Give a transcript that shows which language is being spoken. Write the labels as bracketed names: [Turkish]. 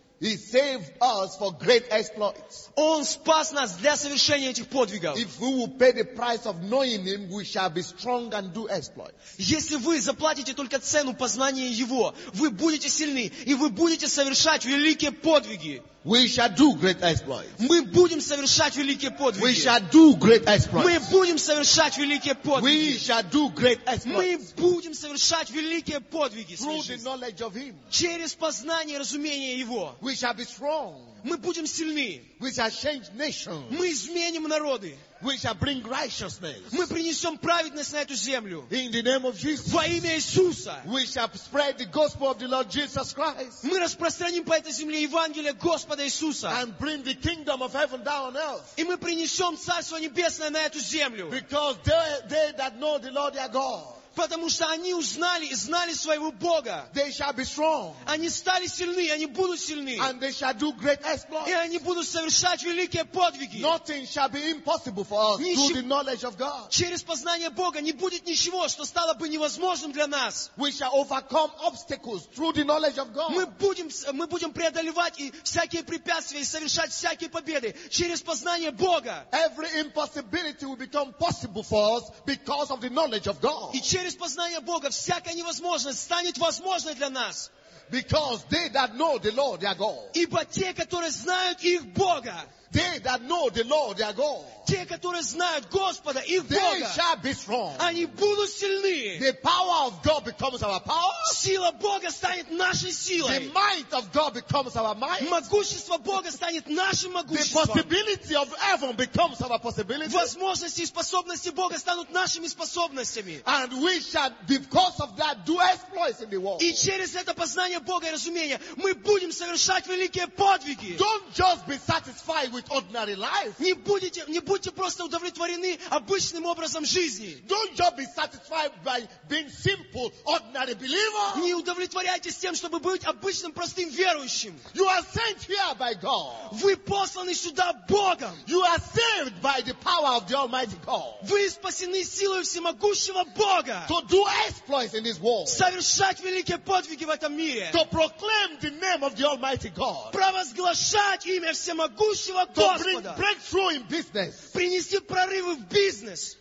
[English] He saved us for great exploits. [Russian] Он спас нас для совершения этих подвигов. [English] If we will pay the price of knowing him, we shall be strong and do exploits. [Russian] Если вы заплатите только цену познания его, вы будете сильны и вы будете совершать великие подвиги. [English] We shall do great exploits. [Russian] Мы будем совершать великие подвиги. [English] We shall do great exploits. [Russian] Мы будем совершать великие подвиги. [English] We shall do great exploits. [Russian] Мы будем совершать великие подвиги. [English] Through the knowledge of him. [Russian] Через познание и разумение его. [English] We shall be strong. [Russian] Мы будем сильны. [English] We shall change nations. [Russian] Мы изменим народы. [English] We shall bring righteousness. [Russian] Мы принесем праведность на эту землю. [English] In the name of Jesus. [Russian] Во имя Иисуса. [English] We shall spread the gospel of the Lord Jesus Christ. [Russian] Мы распространим по этой земле Евангелие Господа Иисуса. [English] And bring the kingdom of heaven down on earth. [Russian] И мы принесем Царство Небесное на эту землю. [English] Because they that know the Lord their God. [Russian] Потому что они узнали и знали своего Бога. [English] They shall be strong. [Russian] Они стали сильны, они будут сильны. [English] And they shall do great exploits. [Russian] И они будут совершать великие подвиги. [English] Nothing shall be impossible for us through the knowledge of God. [Russian] Через познание Бога не будет ничего, что стало бы невозможным для нас. [English] We shall overcome obstacles through the knowledge of God. [Russian] Мы будем преодолевать и всякие препятствия и совершать всякие победы через познание Бога. [English] Every impossibility will become possible for us because of the knowledge of God. [Russian] Через познание Бога всякая невозможность станет возможной для нас. [English] Because they that know the Lord, their God. [Russian] Ибо те, которые знают их Бога, [English] they that know the Lord, their God. [Russian] Те, которые знают Господа, их [English] they [Russian] Бога, [English] shall be strong. [Russian] Они будут сильны. [English] The power of God becomes our power. [Russian] Сила Бога станет нашей силой. [English] The might of God becomes our might. [Russian] Могущество Бога станет нашим могуществом. [English] The possibility of heaven becomes our possibility. [Russian] Возможности и способности Бога станут нашими способностями. [English] And we shall, because of that, do exploits in the world. [Russian] И через это познание Бога и разумение мы будем совершать великие подвиги. [English] Don't just be satisfied with ordinary life. [Russian] Будьте просто удовлетворены обычным образом жизни. [English] Don't just be satisfied by being simple, ordinary believer. [Russian] Не удовлетворяйтесь тем, чтобы быть обычным, простым верующим. [English] You are sent here by God. [Russian] Вы посланы сюда Богом. [English] You are saved by the power of the Almighty God. [Russian] Вы спасены силой всемогущего Бога. [English] To do exploits in this world. [Russian] Совершать великие подвиги в этом мире. [English] To proclaim the name of the Almighty God. [Russian] Провозглашать имя всемогущего Господа. [English] To bring breakthrough in business. [Russian] Принести прорывы в бизнес.